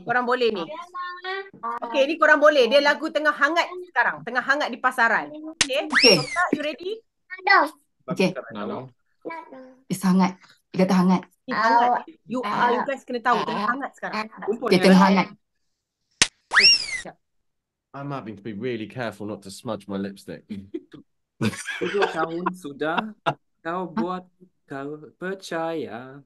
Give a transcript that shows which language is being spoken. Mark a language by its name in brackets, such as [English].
[Malay] Korang boleh ni. Okay, ni korang boleh. Dia lagu tengah hangat sekarang. Tengah hangat di pasaran. Okay. Okay. [English] You ready? [Malay] Okay. [English] It's [Malay] hangat. Dia kata hangat. [English] You guys [Malay] kena tahu. Tengah hangat sekarang. Dia tengah hangat. [English] I'm having to be really careful not to smudge my lipstick. [Malay] Tujuh tahun sudah kau buat kau percaya.